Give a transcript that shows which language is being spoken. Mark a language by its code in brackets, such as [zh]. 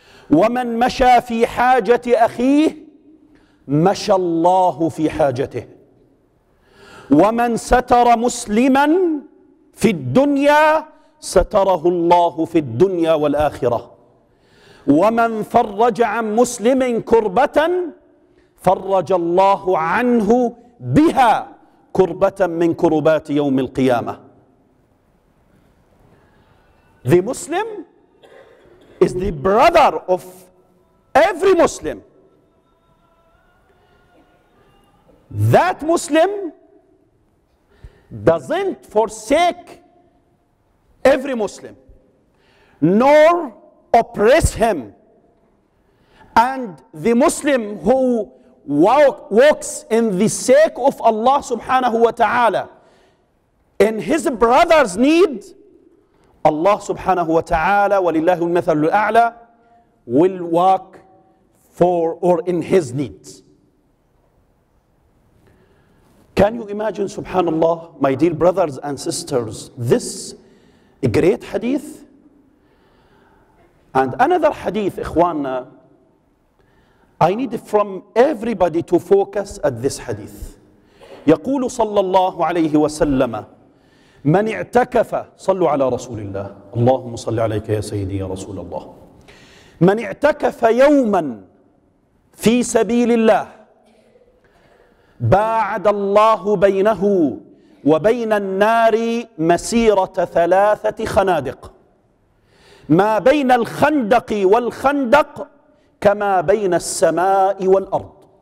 [ar] ومن مشى في حاجة أخيه مشى الله في حاجته وَمَنْ سَتَرَ مُسْلِمًا فِي الدُّنْيَا سَتَرَهُ اللَّهُ فِي الدُّنْيَا وَالْآخِرَةِ وَمَنْ فَرَّجَ عَنْ مُسْلِمٍ كُرْبَةً فَرَّجَ اللَّهُ عَنْهُ بِهَا كُرْبَةً مِنْ كُرُبَاتِ يَوْمِ الْقِيَامَةِ. [en] The Muslim is the brother of every Muslim. That Muslim doesn't forsake every Muslim, nor oppress him. And the Muslim who walks in the sake of Allah subhanahu wa ta'ala, in his brother's need, Allah subhanahu wa ta'ala, [ar] وَلِلَّهُ الْمَثَلُ الْأَعْلَى, [en] will walk for or in his needs. Can you imagine, subhanAllah, my dear brothers and sisters, this great hadith? And another hadith, ikhwana, I need from everybody to focus at this hadith. [ar] يقول صلى الله عليه وسلم من اعتكف صلوا على رسول الله اللهم صل عليك يا سيدي يا رسول الله من اعتكف يوما في سبيل الله باعد الله بينه وبين النار مسيرة ثلاثة خنادق ما بين الخندق والخندق كما بين السماء والأرض.